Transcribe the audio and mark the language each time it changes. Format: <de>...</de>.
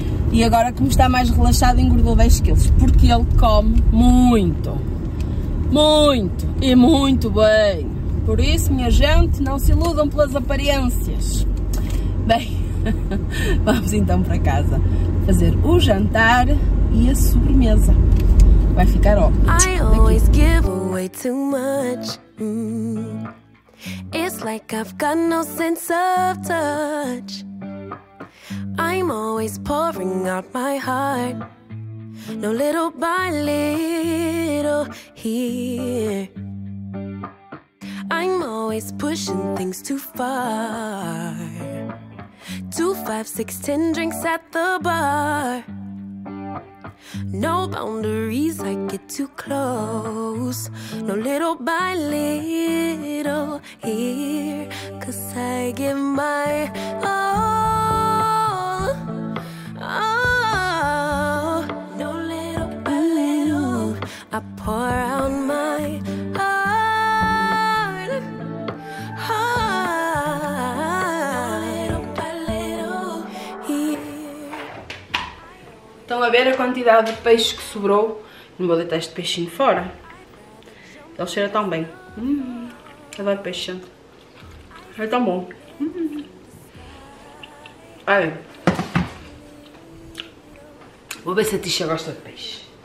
<pt>E agora, como está mais relaxado, engordou 10 quilos. Porque ele come muito. Muito. E muito bem. Por isso, minha gente, não se iludam pelas aparências. Bem, vamos então para casa fazer o jantar e a sobremesa. Vai ficar ó.</pt> <en>I always give away too much. It's like I've got no sense of touch. I'm always pouring out my heart. No little by little here. I'm always pushing things too far. 2, 5, 6, 10 drinks at the bar. No boundaries, I get too close. No little by little here. Cause I give my all. Oh, no little by little, I pour out my heart. Oh, little by little here. Então,</en> <pt>ver a quantidade de peixe que sobrou. Não vou deitar este peixinho fora. Ele cheira tão bem. Adoro peixe quente. É tão bom. Olha. Vou ver se a Tisha gosta de peixe.</pt>